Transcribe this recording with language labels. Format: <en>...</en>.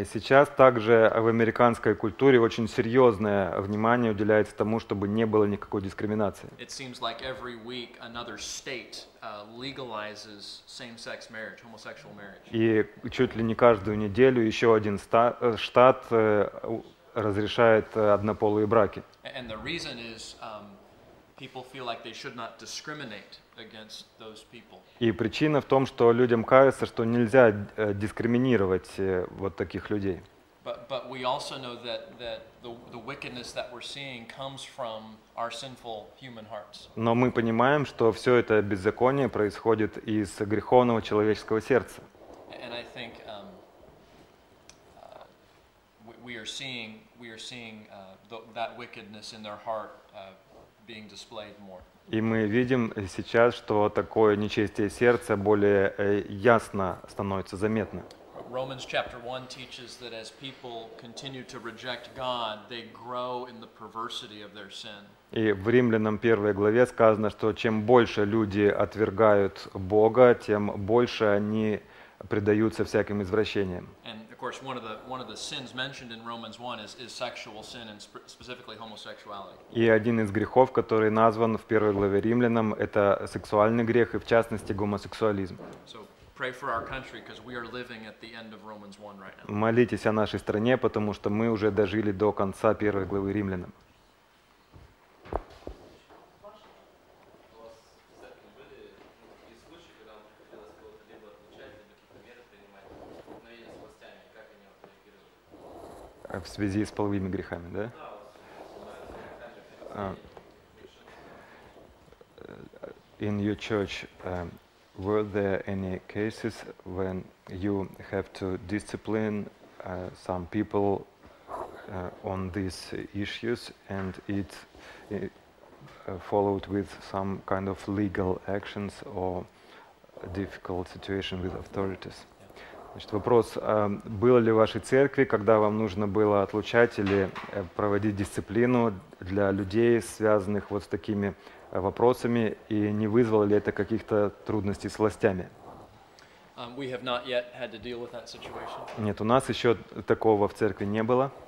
<ru>И сейчас также в американской культуре очень серьезное внимание уделяется тому, чтобы не было никакой дискриминации.</ru> <en>It seems like every week another state legalizes same-sex marriage, homosexual marriage.</en> <ru>И чуть ли не каждую неделю еще один штат разрешает однополые браки.</ru> <en>And the reason is people feel like they should not discriminate against those people.</en> <ru>И причина в том, что людям кажется, что нельзя дискриминировать вот таких людей.</ru> <en>But we also know that the wickedness that we're seeing comes from our sinful human hearts.</en> <ru>Но мы понимаем, что все это беззаконие происходит из греховного человеческого сердца.</ru> <en>And I think we are seeing that wickedness in their heart being displayed more.</en> <ru>И мы видим сейчас, что такое нечестие сердца более ясно становится заметно.</ru> <en>Romans chapter 1 teaches that as people continue to reject God, they grow in the perversity of their sin.</en> <ru>И в Римлянам 1 главе сказано, что чем больше люди отвергают Бога, тем больше они предаются всяким извращениям.</ru> <en>Of course, one of the sins mentioned in Romans 1 is sexual sin, and specifically homosexuality.</en> <ru>И один из грехов, который назван в первой главе Римлянам, это сексуальный грех и в частности гомосексуализм.</ru> <en>So pray for our country because we are living at the end of Romans 1 right now.</en> <ru>Молитесь о нашей стране, потому что мы уже дожили до конца первой главы Римлянам. В связи с половыми грехами, да? Да, вот,</ru> <en>in your church, were there any cases when you have to discipline some people on these issues, and it followed with some kind of legal actions or difficult situation with authorities?</en> <ru>Значит, вопрос, было ли в вашей церкви, когда вам нужно было отлучать или проводить дисциплину для людей, связанных вот с такими вопросами, и не вызвало ли это каких-то трудностей с властями?</ru> <en>We have not yet had to deal with that situation.</en> <ru>Нет, у нас еще такого в церкви не было.</ru>